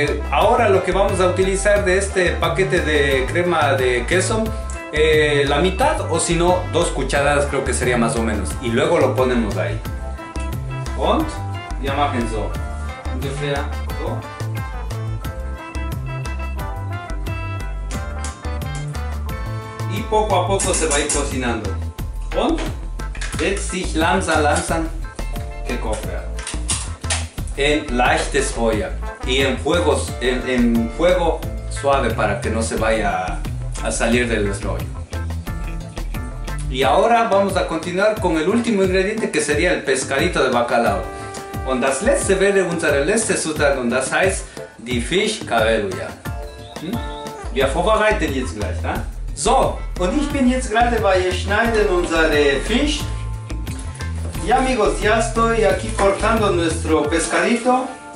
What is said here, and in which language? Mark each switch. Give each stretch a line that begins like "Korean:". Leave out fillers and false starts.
Spanish: Ahora lo que vamos a utilizar de este paquete de crema de queso, la mitad o si no, 2 cucharadas creo que sería más o menos. Y luego lo ponemos ahí.
German: Und wir machen so. Ungefähr so.
Spanish: Y poco a poco se va a ir cocinando.
German: Und jetzt sich langsam gekocht werden. En leichtes Feuer.
Spanish: Y en fuego suave para que no se vaya a salir del rollo. Y ahora vamos a continuar con el último ingrediente, que sería el pescadito de bacalao.
German: Und das letzte werde unsere letzte Zutat, und das heißt die Fischkabeluja. Wir vorbereiten jetzt gleich, ne? So, und ich bin jetzt gerade bei schneiden unsere Fisch.
Spanish: Ya amigos, ya estoy aquí cortando nuestro pescadito.